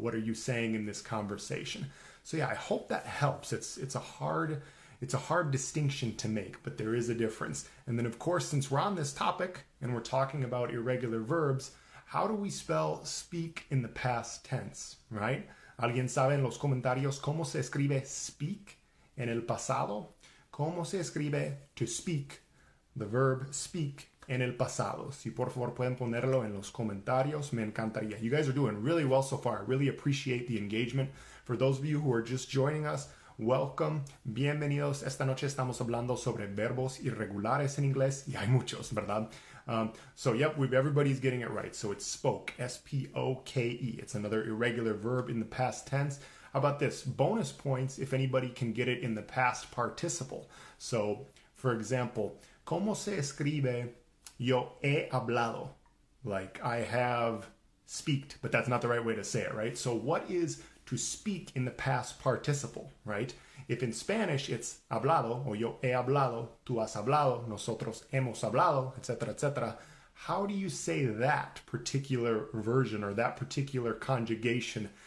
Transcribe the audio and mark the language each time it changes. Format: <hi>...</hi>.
<en>What are you saying in this conversation? So yeah, I hope that helps. It's a hard distinction to make, but there is a difference. And then, of course, since we're on this topic and we're talking about irregular verbs, how do we spell speak in the past tense, right?</en> <es>¿Alguien sabe en los comentarios cómo se escribe speak en el pasado? ¿Cómo se escribe</es> <en>to speak, the verb speak,</en> <es>en el pasado? Si por favor pueden ponerlo en los comentarios, me encantaría.</es> <en>You guys are doing really well so far. I really appreciate the engagement. For those of you who are just joining us, welcome, bienvenidos.</en> <es>Esta noche estamos hablando sobre verbos irregulares en inglés, y hay muchos, ¿verdad?</es> <en>So yep, everybody's getting it right. So it's spoke, S-P-O-K-E. It's another irregular verb in the past tense. How about this? Bonus points if anybody can get it in the past participle. So, for example,</en> <es>¿cómo se escribe yo he hablado?</es> <en>Like, I have speaked, but that's not the right way to say it, right? So what is to speak in the past participle, right? If in Spanish it's hablado,</en> <es>o yo he hablado, tú has hablado, nosotros hemos hablado,</es> <en>etc., etc., how do you say that particular version or that particular conjugation?</en>